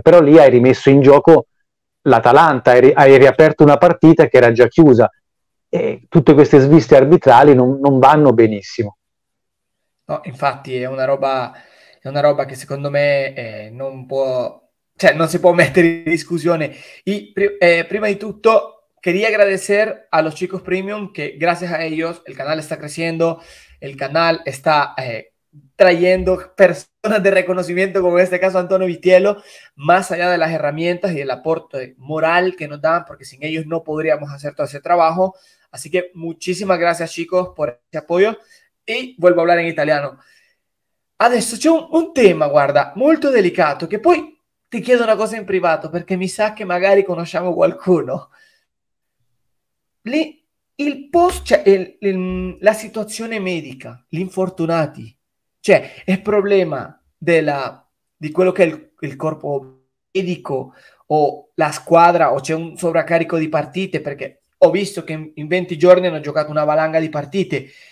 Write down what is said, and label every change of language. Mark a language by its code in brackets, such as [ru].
[it] Però lì hai rimesso in gioco l'Atalanta, hai riaperto una partita che era già chiusa, e tutte queste sviste arbitrali non vanno benissimo. No, infatti è una roba che secondo me non si può mettere in discussione. Prima di tutto, [es] quería agradecer a los chicos premium, que gracias a ellos el canal está creciendo, el canal está trayendo personas de reconocimiento, como en este caso Antonio Vitiello, más allá de las herramientas y del aporte moral que nos dan, porque sin ellos no podríamos hacer todo ese trabajo. Así que muchísimas gracias, chicos, por ese apoyo. E vuelvo a hablar in italiano. [it] Adesso c'è un tema, guarda, molto delicato, che poi ti chiedo una cosa in privato, perché mi sa che magari conosciamo qualcuno. Il post, cioè la situazione medica, gli infortunati, cioè è problema di quello che è il corpo medico o la squadra, o c'è un sovraccarico di partite, perché ho visto che in 20 giorni hanno giocato una valanga di partite,